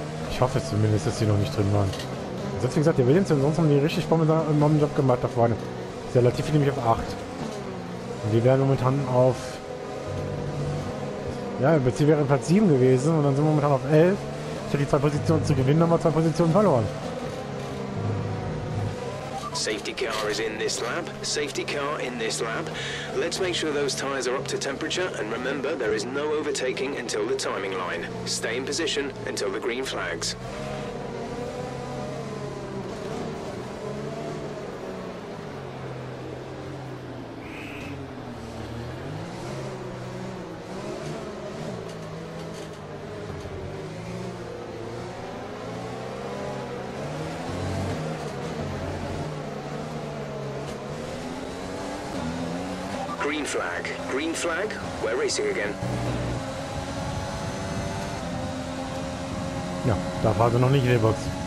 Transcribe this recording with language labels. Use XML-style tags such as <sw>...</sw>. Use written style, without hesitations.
<de>Ich hoffe zumindest, dass sie noch nicht drin waren. Sonst, wie gesagt, der Williams und sonst haben die richtig bomben Job gemacht da vorne. Der Latifi nämlich auf 8. Und die wären momentan auf... Ja, sie wären Platz 7 gewesen und dann sind wir momentan auf 11. Ich hätte die 2 Positionen zu gewinnen, aber 2 Positionen verloren.</de> <en>Safety car is in this lab. Safety car in this lab. Let's make sure those tires are up to temperature and remember, there is no overtaking until the timing line. Stay in position until the green flags. Green flag, we're racing again.</en> <de>Ja, da fahren wir noch nicht in die Box.</de>